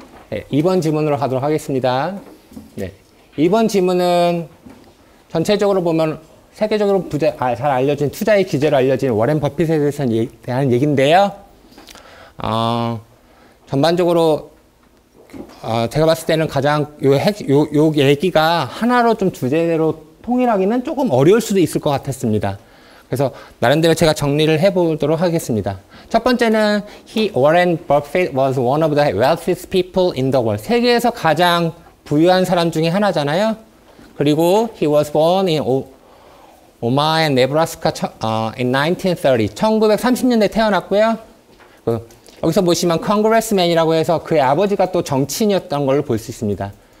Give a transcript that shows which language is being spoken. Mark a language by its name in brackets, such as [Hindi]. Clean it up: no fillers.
[Korean] 네, 2번 지문으로 가도록 하겠습니다. 네, 2번 지문은 전체적으로 보면 세계적으로 잘 알려진 투자의 기재로 알려진 워렌 버핏에 대해서 대한 얘기인데요. 전반적으로 제가 봤을 때는 가장 요 얘기가 하나로 좀 주제대로 통일하기는 조금 어려울 수도 있을 것 같았습니다. 그래서 나름대로 제가 정리를 해보도록 하겠습니다. 첫 번째는 [English] Warren Buffett was one of the wealthiest people in the world. [Korean] 세계에서 가장 부유한 사람 중에 하나잖아요. [English] 그리고 he was born in Omaha, Nebraska in 1930. [Korean] 1930년대에 태어났고요. 여기서 보시면 Congressman이라고 해서 그의 아버지가 또 정치인이었던 걸로 볼 수 있습니다.